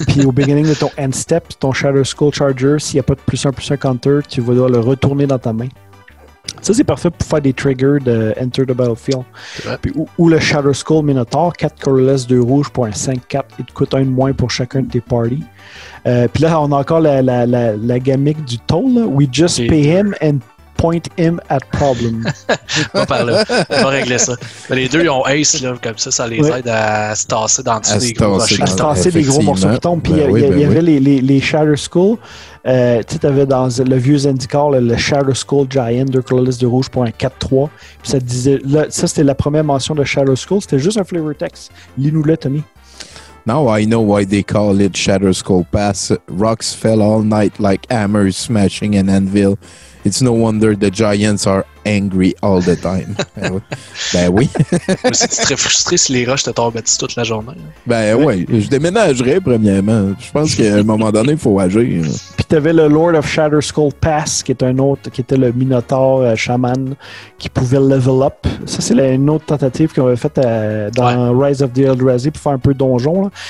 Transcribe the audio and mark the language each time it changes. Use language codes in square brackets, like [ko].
[fr] Puis au beginning de ton end step, ton Shatter Skull Charger, s'il n'y a pas de +1/+1 counter, tu vas devoir le retourner dans ta main. Ça, c'est parfait pour faire des triggers de Enter the Battlefield. Puis, ou le Shatter Skull Minotaur, 4 colorless, 2 rouges pour un 5-4, il te coûte un de moins pour chacun de tes parties. Puis là, on a encore la gimmick du toll. Là. [en] We just pay him and point him at problem. [fr] On va régler ça. Mais les deux, ils ont Ace, là, comme ça, ça les aide à se tasser dans tous les gros morceaux qui tombent. À se tasser des gros morceaux qui tombent. Puis il y avait les Shatter Skull. Tu sais, t'avais dans le vieux Zendikar, le Shatter Skull Giant, 2 colorless de rouge pour un 4-3. Puis ça disait, là, ça, c'était la première mention de Shatter Skull. C'était juste un flavor text. Lis-nous le, Tommy. [en] Now I know why they call it Shatter Skull Pass. Rocks fell all night like hammers smashing an anvil. It's no wonder the giants are angry all the time. [fr] Ben oui. Mais si tu serais frustré si les roches te tombaient dessus toute la journée. Ben oui, je déménagerais premièrement. Je pense qu'à un moment donné, il faut agir. Puis t'avais le Lord of Shatter Skull Pass, qui est un autre, qui était le Minotaur chaman, qui pouvait level up. Ça, c'est une autre tentative qu'on avait faite dans Rise of the Eldrazi pour faire un peu donjon. Là.